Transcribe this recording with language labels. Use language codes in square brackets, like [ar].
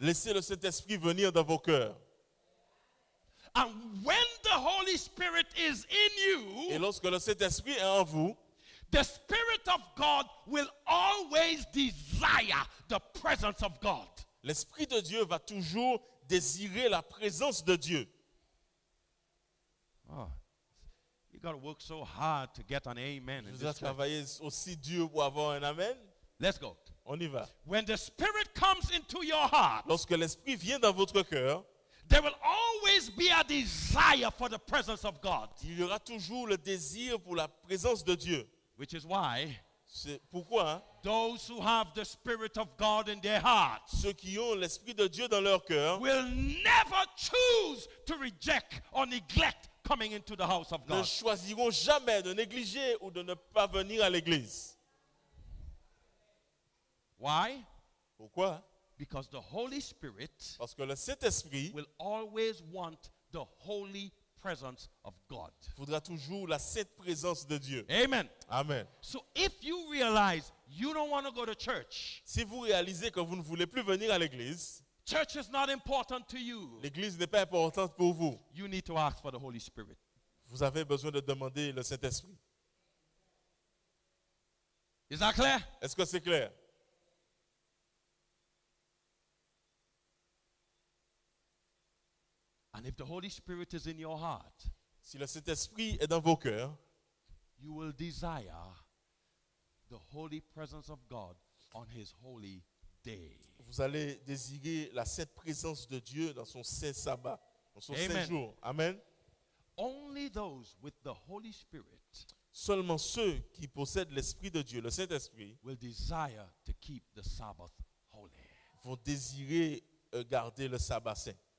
[fr] Laissez le Saint-Esprit venir dans vos cœurs. [en] And when the Holy Spirit is in you, [fr] et lorsque le Saint-Esprit est en vous, [en] the Spirit of God will always desire the presence of God. [fr] L'Esprit de Dieu va toujours désirer la présence de Dieu. [en] Oh, you got to work so hard to get an amen. [fr] Vous avez travaillé aussi dur pour avoir un amen. [en] Let's go. [fr] On y va. [en] When the Spirit comes into your heart, [fr] lorsque l'Esprit vient dans votre cœur, [en] there will always be a desire for the presence of God. [fr] Il y aura toujours le désir pour la présence de Dieu. [en] Which is why, [fr] c'est pourquoi, [en] those who have the Spirit of God in their hearts, [fr] ceux qui ont l'Esprit de Dieu dans leur cœur, [en] will never choose to reject or neglect coming into the house of God. [fr] Ne choisiront jamais de négliger ou de ne pas venir à l'église. [en] Why? [fr] Pourquoi? [en] Because the Holy Spirit, [fr] parce que le Saint-Esprit, [en] will always want the holy presence of God. [fr] Voudra toujours la sainte présence de Dieu. [en] Amen. [fr] Amen. [en] So if you realize you don't want to go to church, [fr] si vous réalisez que vous ne voulez plus venir à l'église, [en] church is not important to you. [fr] L'église n'est pas importante pour vous. [en] You need to ask for the Holy Spirit. [fr] Vous avez besoin de demander le Saint-Esprit. [en] Is that clear? [fr] Est-ce que c'est clair? [en] And if the Holy Spirit is in your heart, [fr] si le Saint-Esprit est dans vos cœurs, [en] you will desire the holy presence of God on his holy day. [fr] Vous allez désirer la sainte présence de Dieu dans son saint sabbat, dans son saint jour. [en] Amen. Only those with the Holy Spirit, [fr] seulement ceux qui possèdent l'Esprit de Dieu, le Saint-Esprit, [en] will desire to keep the Sabbath holy. [fr] Vont désirer garder le sabbat saint.